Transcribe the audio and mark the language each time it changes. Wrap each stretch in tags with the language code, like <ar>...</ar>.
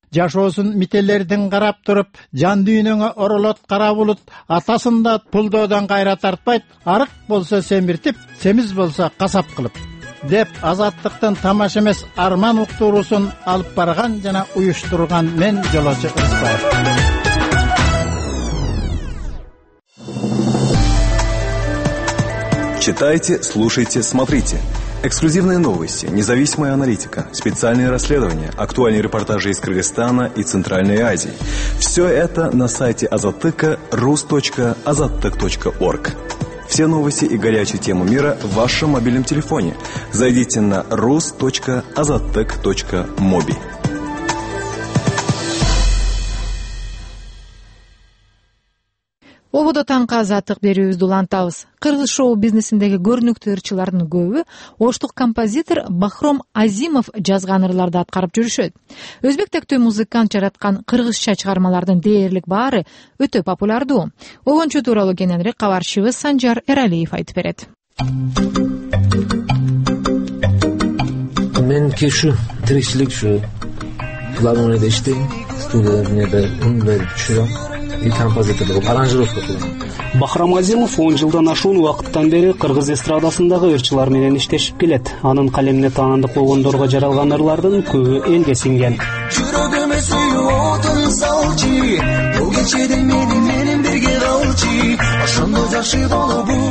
<ky>Жашоосун мителердин карап туруп, жан дүйнөңө оролот кара булут, атасын да пулдоодон кайра тартпайт, арык болсо семиртип, семиз болсо касап кылып. деп азаттыктын тамаш эмес арман уктуруусун алып барган жана уюштурган мен жолочу Ырысбаев.</ky> <ru>Читайте, слушайте, смотрите. Эксклюзивные новости, независимая аналитика, специальные расследования, актуальные репортажи из Кыргызстана и Центральной Азии. Все это на сайте azattyk.ru/azattyk.org. Все новости и горячие темы мира в вашем мобильном телефоне. Зайдите на rus.azattyk.mobi.</ru> <ky>Обода таңкы азаттык берүүбүздү улантабыз. Кыргыз шоу бизнесиндеги көрүнүктүү ырчылардын көбү оштук композитор Бахром Азимов жазган ырларды аткарып жүрүшөт. Өзбектектүү музыкант жараткан кыргызча чыгармалардын дээрлик баары өтө популярдуу. Огончу тууралуу кененирээк кабарчыбыз Санжар Эралиев айтып берет.</ky> <uz>Мен кеши тиричилик шу планыны дештейм, студияны берип жүрөм.</uz> <ru>И композитор был, аранжировка была.</ru> <ky>Бахрам Азимов 10 жылдан ашуун убакыттан бери кыргыз эстрадасындагы ырчылар менен иштешип келет. Анын калемине таандык болгондорго жаралган ырлардын көбү элге сиңген. Жүрөгүмө сүйүү отун салчы, бул кечеде менин бирге калчы. Ошондо жакшы болуп.</ky>